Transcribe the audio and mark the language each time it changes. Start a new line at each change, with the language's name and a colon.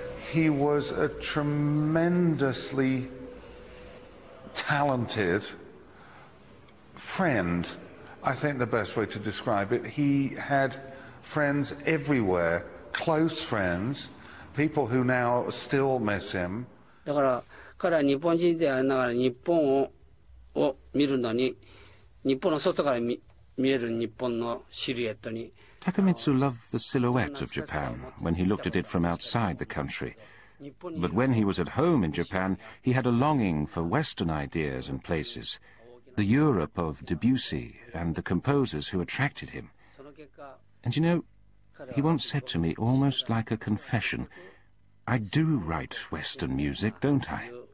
English: He was a tremendously talented friend, I think the best way to describe it. He had friends everywhere, close friends, people who now still miss him.
Japanese: だから彼は日本人でありながら日本を見るのに日本の外から見える日本のシルエットに
English: Takemitsu loved the silhouette of Japan when he looked at it from outside the country. But when he was at home in Japan, he had a longing for Western ideas and places, the Europe of Debussy and the composers who attracted him. And you know, he once said to me, almost like a confession, I do write Western music, don't I?